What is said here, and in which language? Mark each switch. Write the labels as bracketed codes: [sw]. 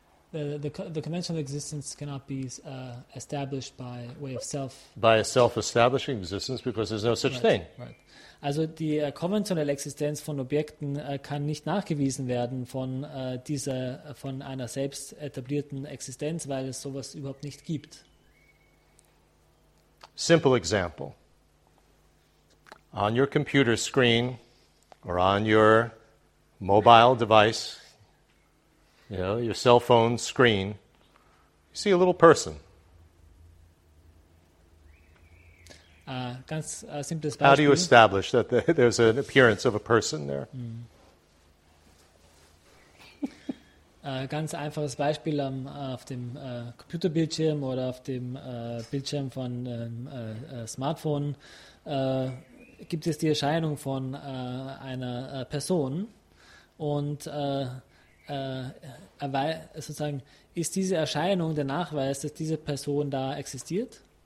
[en] The conventional existence cannot be established by way of self. By a self-establishing existence, because there's no such thing. Right. [de] Also die konventionelle Existenz von Objekten kann nicht nachgewiesen werden von einer selbst etablierten Existenz, weil es sowas überhaupt nicht gibt. [en] Simple example. On your computer screen or on your mobile device, you know, your cell phone screen, you see a little person. [de] Ganz simples Beispiel. [en] How do you establish that there's an appearance of a person there? Mm. [de] Ganz einfaches Beispiel auf dem Computerbildschirm oder auf dem Bildschirm von Smartphone gibt es die Erscheinung von einer Person und sozusagen, ist diese Erscheinung der Nachweis, dass diese Person da existiert?